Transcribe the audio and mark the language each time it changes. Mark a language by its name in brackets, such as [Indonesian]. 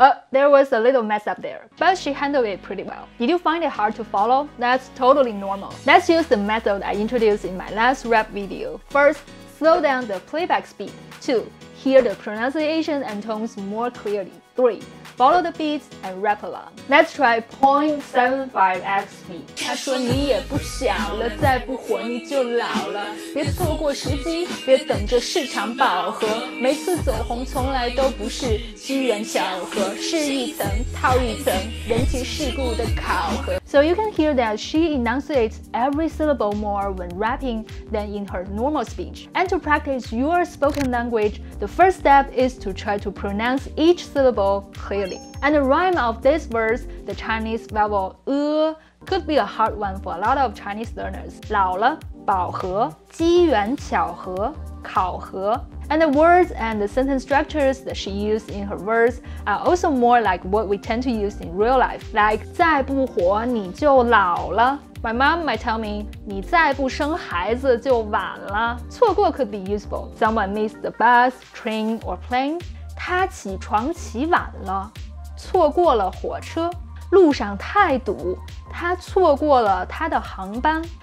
[English] There was a little mess up there, but she handled it pretty well. Did you find it hard to follow? That's totally normal. Let's use the method I introduced in my last rap video. First, slow down the playback speed. 2. Hear the pronunciation and tones more clearly. 3. Follow the beats and rap along. Let's try 0.75x speed. [Chinese] 他说你也不小了,再不火你就老了,别错过时机,别等着市场饱和,每次走红从来都不是机缘巧合,是一层套一层,人情世故的考核。 [English] So you can hear that she enunciates every syllable more when rapping than in her normal speech. And to practice your spoken language, the first step is to try to pronounce each syllable clearly. And the rhyme of this verse, the Chinese vowel e, could be a hard one for a lot of Chinese learners. [Chinese] 老了,饱和,机缘巧合,考核. [English] And the words and the sentence structures that she used in her verse are also more like what we tend to use in real life, like [Chinese] 再不火你就老了. [English] My mom might tell me [Chinese] 你再不生孩子就晚了. [English] 错过 could be useful. Someone missed the bus, train, or plane. [Chinese] 他起床起晚了，错过了火车，路上太堵，他错过了他的航班。